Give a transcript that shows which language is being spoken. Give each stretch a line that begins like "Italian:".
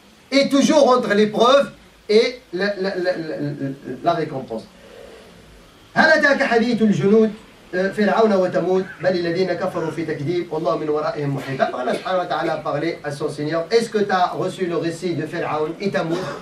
French: Et toujours entre l'épreuve et la récompense.
Arabic: هل أتاك حديث الجنود فرعون وتموت بل الذين كفروا في تكذيب والله من ورائهم محيط. الله سبحانه وتعالى قال
French: à son seigneur, est-ce que tu as reçu le récit de Pharaon et Thamud?